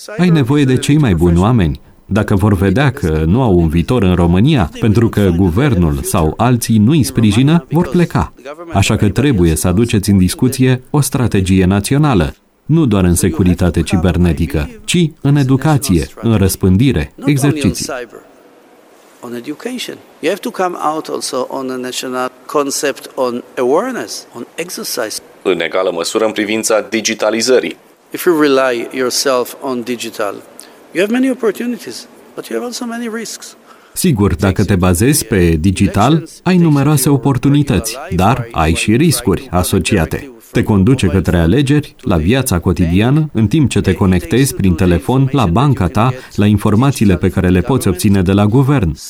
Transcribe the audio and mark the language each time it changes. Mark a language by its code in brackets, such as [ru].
[ro] Ai nevoie de cei mai buni oameni. Dacă vor vedea că nu au un viitor în România, pentru că guvernul sau alții nu îi sprijină, vor pleca. Așa că trebuie să aduceți în discuție o strategie națională. Nu doar în securitate cibernetică, ci în educație, în răspândire, exerciții. [en] On education. You have to come out also on a national concept on awareness, on exercise. [ro] În egală măsură în privința digitalizării. [en] If you rely yourself on digital, you have many opportunities, but you have also many risks. [ro] Sigur, dacă te bazezi pe digital, ai numeroase oportunități, dar ai și riscuri asociate. Te conduce către alegeri, la viața cotidiană, în timp ce te conectezi prin telefon la banca ta, la informațiile pe care le poți obține de la guvern.